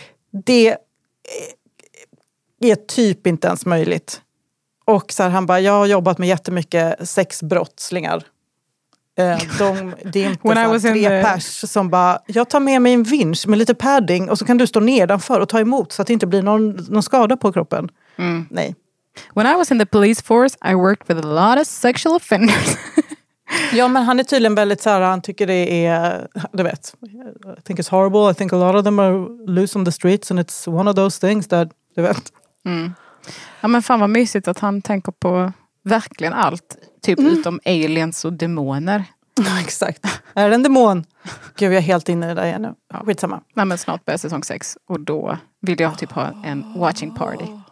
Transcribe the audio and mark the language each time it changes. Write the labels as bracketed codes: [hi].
[sv] Det är typ inte ens möjligt. Och så här, han bara, jag har jobbat med jättemycket sexbrottslingar. Det är inte så tre pers som bara, jag tar med mig en vinsch med lite padding och så kan du stå nedanför och ta emot så att det inte blir någon skada på kroppen. Mm. Nej. [en] When I was in the police force, I worked with a lot of sexual offenders. [sv] Ja, men han är tydligen väldigt så här, han tycker det är, du vet, [en] I think it's horrible. I think a lot of them are loose on the streets and it's one of those things that, [sv] du vet. Mm. Ja, men fan vad mysigt att han tänker på verkligen allt, typ utom aliens och demoner. Ja, exakt. Är det en demon? Gud, jag är helt inne i det där igen nu. Skitsamma. Nej, men snart börjar säsong 6 och då vill jag typ ha en [en] watching party.